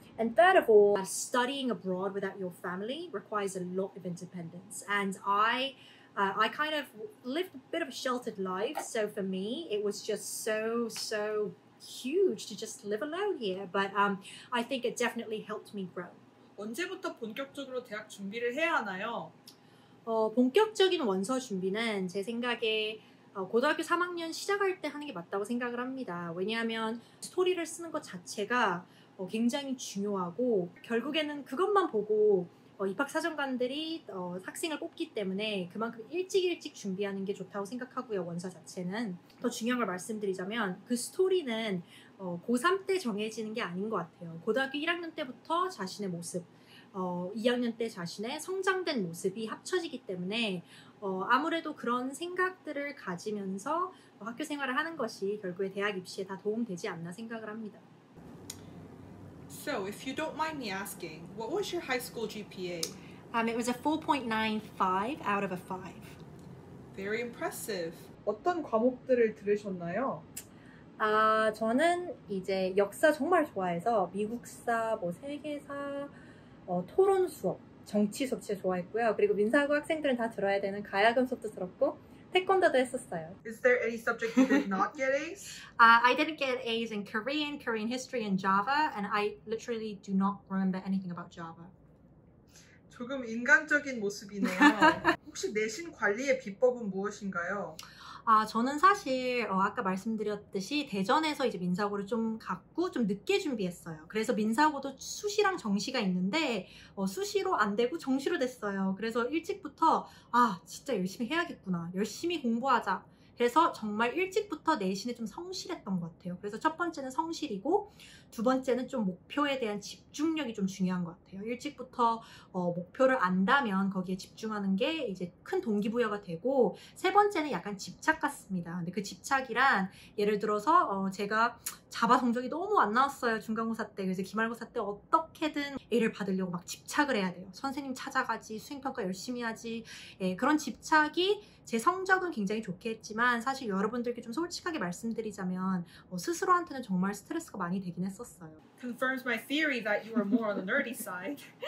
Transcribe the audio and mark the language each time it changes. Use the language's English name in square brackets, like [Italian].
[English] And third of all, studying abroad without your family requires a lot of independence. And I kind of lived a bit of a sheltered life. So for me, it was just so huge to just live alone here. But I think it definitely helped me grow. [Korean] 언제부터 본격적으로 대학 준비를 해야 하나요? 본격적인 원서 준비는 제 생각에 고등학교 3학년 시작할 때 하는 게 맞다고 생각을 합니다. 왜냐하면 스토리를 쓰는 것 자체가 굉장히 중요하고 결국에는 그것만 보고 입학 사정관들이 학생을 뽑기 때문에 그만큼 일찍 준비하는 게 좋다고 생각하고요. 원서 자체는 더 중요한 걸 말씀드리자면 그 스토리는 고3 때 정해지는 게 아닌 것 같아요. 고등학교 1학년 때부터 자신의 모습 2학년 때 자신의 성장된 모습이 합쳐지기 때문에 아무래도 그런 생각들을 가지면서 학교 생활을 하는 것이 결국에 대학 입시에 다 도움되지 않나 생각을 합니다. [English] So, if you don't mind me asking, what was your high school GPA? It was a 4.95 out of a 5. Very impressive. [Korean] 어떤 과목들을 들으셨나요? 저는 이제 역사 정말 좋아해서 미국사, 뭐 세계사 토론 수업, 정치 수업 제일 좋아했고요. 그리고 민사고 학생들은 다 들어야 되는 가야금 수업도 들었고 태권도도 했었어요. [English] Is there any subject you did not get A's? I didn't get A's in Korean, Korean history and Java, and I literally do not remember anything about Java. [Korean] 조금 인간적인 모습이네요. 혹시 내신 관리의 비법은 무엇인가요? 저는 사실 아까 말씀드렸듯이 대전에서 이제 민사고를 좀 갖고 좀 늦게 준비했어요. 그래서 민사고도 수시랑 정시가 있는데 수시로 안 되고 정시로 됐어요. 그래서 일찍부터 진짜 열심히 해야겠구나. 열심히 공부하자. 그래서 정말 일찍부터 내신에 좀 성실했던 것 같아요. 그래서 첫 번째는 성실이고 두 번째는 좀 목표에 대한 집중력이 좀 중요한 것 같아요. 일찍부터 목표를 안다면 거기에 집중하는 게 이제 큰 동기부여가 되고 세 번째는 약간 집착 같습니다. 근데 그 집착이란 예를 들어서 제가 자바 성적이 너무 안 나왔어요. 중간고사 때 그래서 기말고사 때 어떻게든 A를 받으려고 막 집착을 해야 돼요. 선생님 찾아가지 수행평가 열심히 하지 그런 집착이 제 성적은 굉장히 좋게 했지만 사실 여러분들께 좀 솔직하게 말씀드리자면 스스로한테는 정말 스트레스가 많이 되긴 했었어요. [English] Confirms my theory that you are more on the nerdy side.